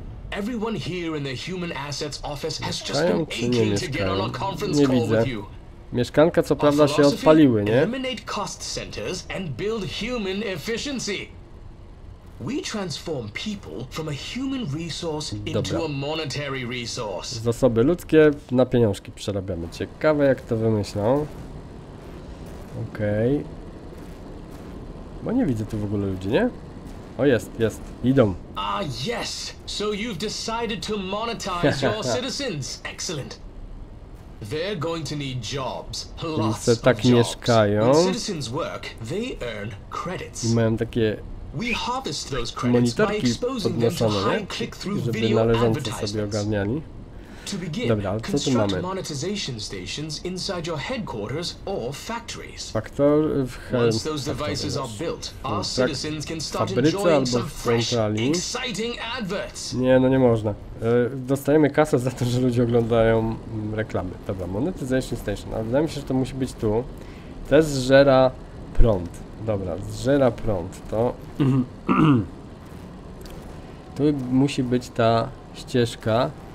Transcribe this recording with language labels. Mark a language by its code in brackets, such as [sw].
[en] Everyone here in the Human Assets office has just been aching to get on a conference call with you. [pl] Mieszkanka, co prawda, się odpaliły, nie? [en] Eliminate cost centers and build human efficiency. We transform people from a human resource into a monetary resource. [pl] Zasoby ludzkie na pieniążki przerabiamy. Ciekawe, jak to wymyślą. Okej. Bo nie widzę tu w ogóle ludzi, nie? O, jest, jest. Idą. [en] Ah, yes. So you've decided to monetize your citizens. Excellent. They're going to need jobs. Lots of [pl] tak [en] jobs. [pl] Mieszkają. [en] When citizens work, they earn credits. [pl] I mają takie... [en] We harvest those credits by exposing them to high click-through video advertisements. To begin, [pl] dobra, ale co tu mamy? [en] Monetization stations inside your headquarters or factories. [pl] Faktor w [en] Once those devices are built, our citizens can start enjoying some exciting adverts. [pl] Nie, no nie można. Dostajemy kasę za to, że ludzie oglądają reklamy. Dobra, [en] monetization station. [pl] Ale wydaje mi się, że to musi być tu. To jest zżera prąd. Dobra, zżera prąd. To tu musi być ta ścieżka.